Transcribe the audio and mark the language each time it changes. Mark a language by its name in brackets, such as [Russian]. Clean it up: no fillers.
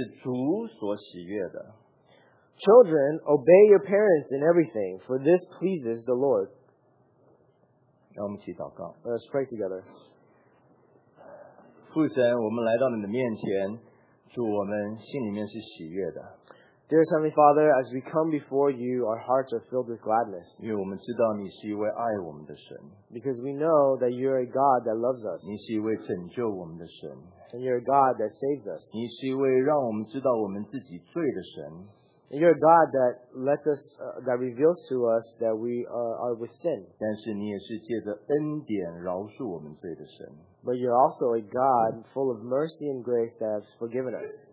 [Chinese] 哥罗西书三章二十节，你们做儿女的，要凡事听从父母，因为这是主所喜悦的。 [English] Children, obey your parents in everything, for this pleases the Lord. [Chinese] 让我们一起祷告。 [English] Let's pray together. [Chinese] 父神，我们来到你的面前。主，我们心里面是喜悦的。 [English] Dear Heavenly Father, as we come before you, our hearts are filled with gladness. [Chinese] 因为我们知道你是一位爱我们的神。 [English] Because we know that you're a God that loves us. [Chinese] 你是一位拯救我们的神。 [English] And you're a God that saves us. [Chinese] 你是一位让我们知道我们自己罪的神。 [English] And you're a God that lets us, that reveals to us that we are with sin. [Chinese] 但是你也是借着恩典饶恕我们罪的神。 [English] But you're also a God full of mercy and grace that has forgiven us.